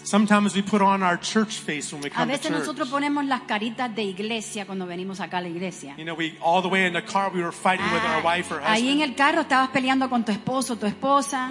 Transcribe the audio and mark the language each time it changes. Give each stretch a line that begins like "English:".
English: Sometimes we put on our church face when we come to church.
Spanish: A veces nosotros ponemos las caritas de iglesia cuando venimos acá a la iglesia.
English: You know, we all the way in the car we were fighting with our wife or husband.
Spanish: Ahí en el carro estabas peleando con tu esposo, tu esposa.